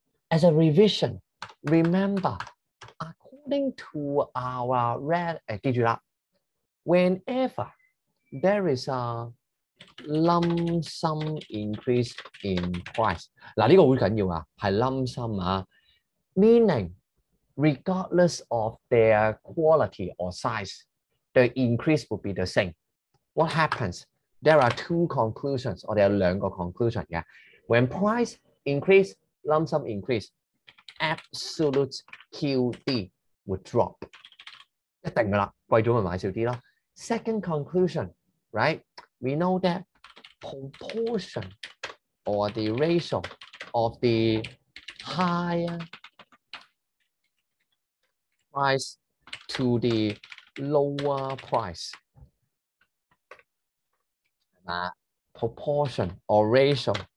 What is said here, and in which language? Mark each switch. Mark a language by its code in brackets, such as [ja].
[en] As a revision, remember, according to our [yue] 记住啦 [en] whenever there is a lump sum increase in price, [yue] 嗱呢个好紧要啊，系 [en] lump sum 啊 ，meaning regardless of their quality or size, the increase will be the same. What happens? There are two conclusions, or there are [yue] 两个 [en] conclusion [yue] 嘅。 [en] When price increase, lump sum increase, absolute QD would drop. [yue] 一定噶啦，貴咗咪買少啲咯。 [en] Second conclusion, right? We know that proportion or the ratio of the higher price to the lower price, proportion or ratio.